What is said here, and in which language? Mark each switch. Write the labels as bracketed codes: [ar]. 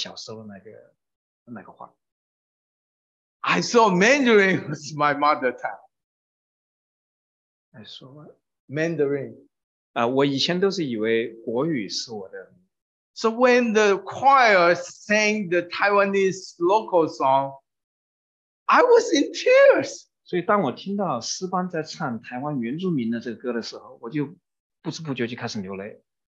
[zh] 我才意识到就是说这个台湾原住民他们讲的话其实是我妈妈就是我小时候那个话。 [en] I saw Mandarin was my mother tongue. I saw Mandarin. [zh] 我以前都是以为国语是我的。 [en] So when the choir sang the Taiwanese local song, I was in tears. [zh] 所以当我听到诗班在唱台湾原住民的这个歌的时候，我就不知不觉就开始流泪。